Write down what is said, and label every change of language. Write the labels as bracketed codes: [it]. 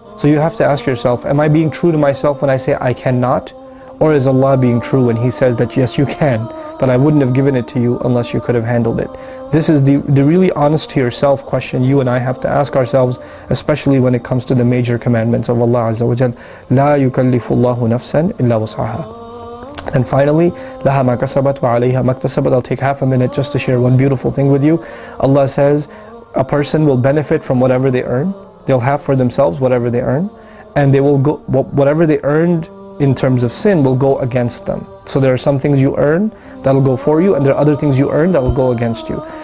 [en] So you have to ask yourself, am I being true to myself when I say I cannot? Or is Allah being true when He says that yes, you can, that I wouldn't have given it to you unless you could have handled it? This is the really honest to yourself question you and I have to ask ourselves, especially when it comes to the major commandments of Allah Azza wa Jalla. [ar] لا يكلف الله نفسا إلا وسعها. [en] And finally, [ar] لَهَا مَا كَسَبَتْ وَعَلَيْهَا مَا اكْتَسَبَتْ. [en] I'll take half a minute just to share one beautiful thing with you. Allah says, a person will benefit from whatever they earn. They'll have for themselves whatever they earn. And they will go, whatever they earned in terms of sin will go against them. So there are some things you earn that'll go for you, and there are other things you earn that'll go against you.